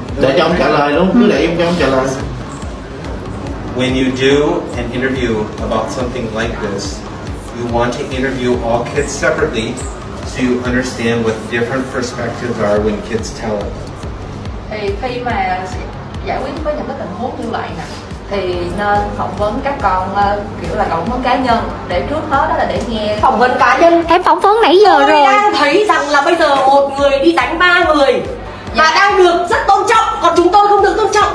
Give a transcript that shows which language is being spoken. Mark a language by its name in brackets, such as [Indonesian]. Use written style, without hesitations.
[Vietnamese] Để cho ông trả lời luôn, cứ để ông cho ông trả lời. [English] When you do an interview about something like this, you want to interview all kids separately so you understand what different perspectives are when kids tell it. [Vietnamese] Thì khi mà giải quyết với những cái tình huống như vậy nè, thì nên phỏng vấn các con kiểu là phỏng vấn cá nhân, để trước hết đó là để nghe phỏng vấn cá nhân. Em phỏng vấn nãy giờ tôi rồi. Tôi đang thấy rằng là bây giờ một người đi đánh ba người. Và đang được rất tôn trọng, còn chúng tôi không được tôn trọng.